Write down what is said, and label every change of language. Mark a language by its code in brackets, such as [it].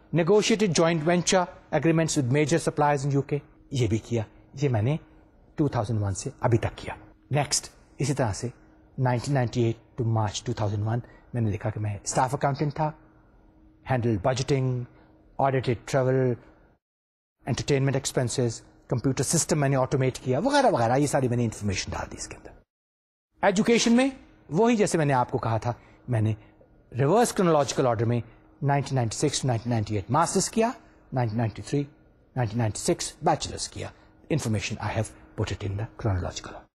[en] Negotiated joint venture agreements with major suppliers in UK. [ur] یہ بھی کیا. یہ میں نے 2001 سے ابھی تک کیا. Next, اسی طرح سے 1998 to March 2001 میں نے دیکھا کہ میں staff accountant تھا. [en] Handled budgeting, audited travel, entertainment expenses, [ur] computer system میں نے آٹومیٹ کیا وغیرہ وغیرہ. یہ ساری میں نے انفارمیشن ڈال دی اس کے اندر. ایجوکیشن میں وہی جیسے میں نے آپ کو کہا تھا, میں نے ریورس کرونولوجیکل آرڈر میں 1996 to 1998 ماسٹرز کیا, 1993 1996 بیچلرز کیا. [en] Information I have put it in the chronological.